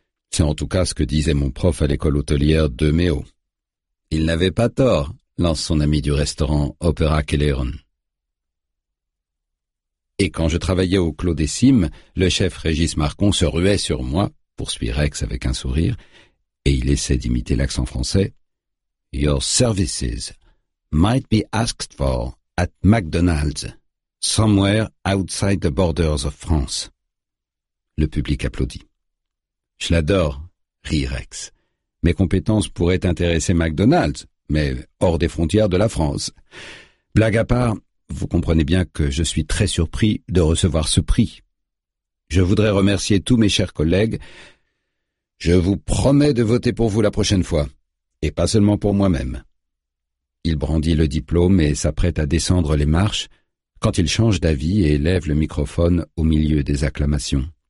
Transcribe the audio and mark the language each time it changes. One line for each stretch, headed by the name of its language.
French: C'est en tout cas ce que disait mon prof à l'école hôtelière de Meo. Il n'avait pas tort, lance son ami du restaurant Opera Kelleron. Et quand je travaillais au Clos des Cimes, le chef Régis Marcon se ruait sur moi, poursuit Rex avec un sourire, et il essaie d'imiter l'accent français.
English: « Your services might be asked for at McDonald's, somewhere outside the borders of France. »
French: Le public applaudit. « Je l'adore, » rit Rex. « Mes compétences pourraient intéresser McDonald's, mais hors des frontières de la France. Blague à part, vous comprenez bien que je suis très surpris de recevoir ce prix. Je voudrais remercier tous mes chers collègues. Je vous promets de voter pour vous la prochaine fois, et pas seulement pour moi-même. » Il brandit le diplôme et s'apprête à descendre les marches quand il change d'avis et lève le microphone au milieu des acclamations.